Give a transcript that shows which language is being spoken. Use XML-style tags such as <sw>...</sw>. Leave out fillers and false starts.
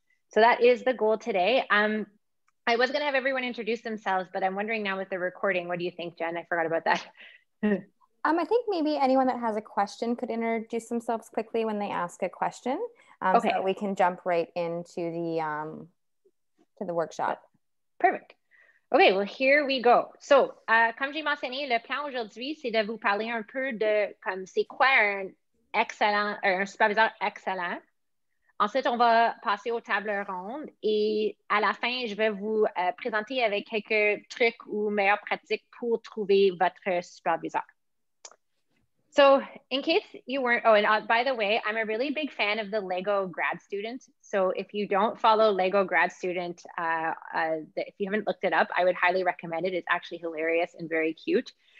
<en>So that is the goal today. I was going to have everyone introduce themselves, but I'm wondering now with the recording, what do you think, Jen? I forgot about that. I think maybe anyone that has a question could introduce themselves quickly when they ask a question. Okay. So we can jump right into the workshop. Perfect. Okay, well, here we go.</en> <fr>So, comme j'ai mentionné, le plan aujourd'hui, c'est de vous parler un peu de comme c'est quoi un superviseur excellent. Ensuite, on va passer aux tables rondes et à la fin, je vais vous présenter avec quelques trucs ou meilleures pratiques pour trouver votre superviseur.</fr> <en>So, in case you weren't, oh, and by the way, I'm a really big fan of the Lego grad student. So, if you don't follow Lego grad student, if you haven't looked it up, I would highly recommend it. It's actually hilarious and very cute.</en>